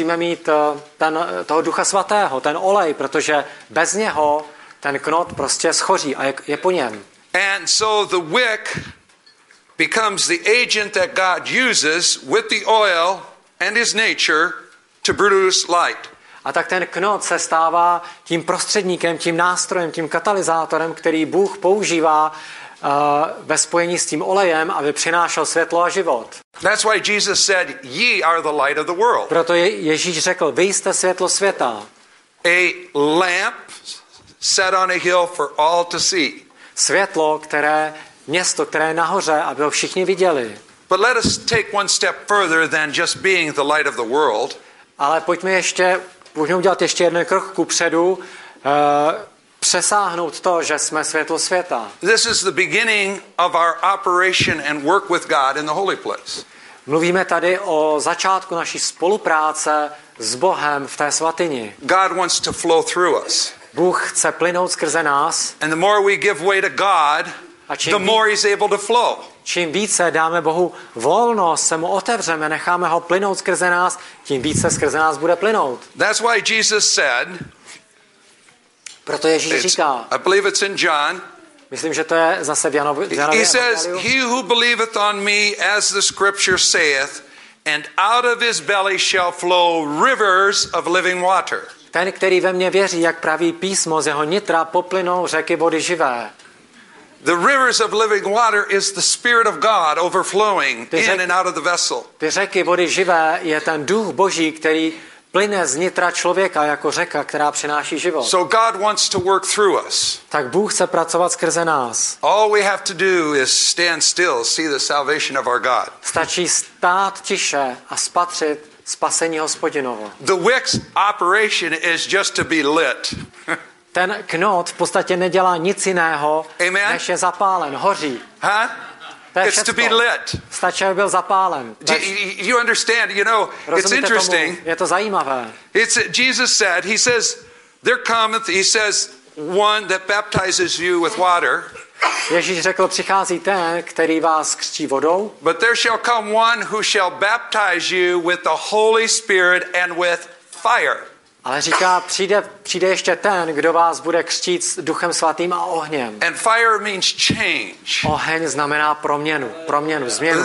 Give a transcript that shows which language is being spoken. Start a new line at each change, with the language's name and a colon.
Czech: musíme mít toho Ducha Svatého, ten olej, protože bez něho ten knot prostě schoří a je po něm.
English: And so the wick becomes the agent that God uses with the oil and his nature to produce light.
Czech: A tak ten knot se stává tím prostředníkem, tím nástrojem, tím katalyzátorem, který Bůh používá ve spojení s tím olejem, aby přinášel světlo a život.
English: That's why Jesus said, "Ye are the light of the world."
Czech: Proto Ježíš řekl, vy jste světlo světa.
English: A lamp set on a hill for all to see.
Czech: Světlo, které město, které je nahoře, aby ho všichni viděli.
English: But let us take one step further than just being the light of the world.
Czech: Ale pojďme udělat ještě jeden krok kupředu, přesáhnout to, že jsme světlo světa.
English: This is the beginning of our operation and work with God in the holy place.
Czech: Mluvíme tady o začátku naší spolupráce s Bohem v té svatyni.
English: God wants to flow through us.
Czech: Bůh chce plynout skrze nás.
English: And the more we give way to God, the more he's able to flow.
Czech: Čím více dáme Bohu volnost, se mu otevřeme, necháme ho plynout skrze nás, tím více skrze nás bude plynout.
English: That's why Jesus said.
Czech: Proto Ježíš říká.
English: I believe it's in John.
Czech: Myslím, že to je zase v Janově evangeliu.
English: He says, he who believeth on me, as the scripture saith, and out of his belly shall flow rivers of living water.
Czech: Ten, který ve mně věří, jak praví písmo, z jeho nitra poplynou řeky vody živé.
English: The rivers of living water is the spirit of God overflowing in and out of the vessel.
Czech: Ty řeky vody živé je ten duch Boží, který plyne z nitra člověka jako řeka, která přináší život.
English: So God wants to work through us.
Czech: Tak Bůh chce pracovat skrze nás.
English: All we have to do is stand still, see the salvation of our God.
Czech: Stačí stát tiše a spatřit spasení Hospodinovo.
English: The wick's operation is just to be lit.
Czech: Ten knot v podstatě nedělá nic jiného,
English: amen?
Czech: Než je zapálen, hoří. Huh? To je
English: it's to be lit.
Czech: Stačí, aby byl zapálen.
English: You understand? You know, it's interesting.
Czech: Je to zajímavé.
English: It's Jesus said. He says, "There cometh." He says, "One that baptizes you with water."
Czech: Ježíš řekl, přichází ten, který vás křtí vodou.
English: But there shall come one who shall baptize you with the Holy Spirit and with fire.
Czech: Ale říká, přijde ještě ten, kdo vás bude křtít s Duchem Svatým a ohněm.
English: And fire means change.
Czech: Oheň znamená proměnu, změnu.